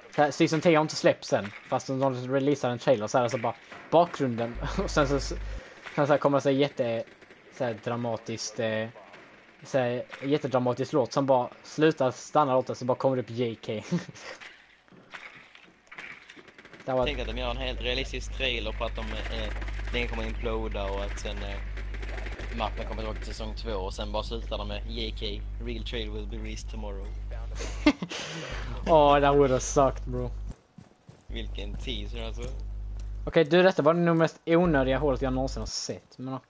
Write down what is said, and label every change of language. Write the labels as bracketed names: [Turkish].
[Swedish] Season 10 har inte släppts än fast de releasar en trailer så här så bara bakgrunden och sen så här kommer det så här jätte så här dramatiskt så här jättedramatiskt låt som bara slutar stanna låten så bara kommer det upp JK. Det var tänkte de gör en helt realistisk trailer på att de den kommer imploda och att sen mappen kommer tillbaka till säsong 2 och sen bara slutar de med JK, [English] real trail will be released tomorrow. Åh, oh, that would have sucked, bro. [Swedish] Vilken teaser alltså. Okej, okay, du, detta var det nog mest onödiga hålet jag någonsin har sett, men okej.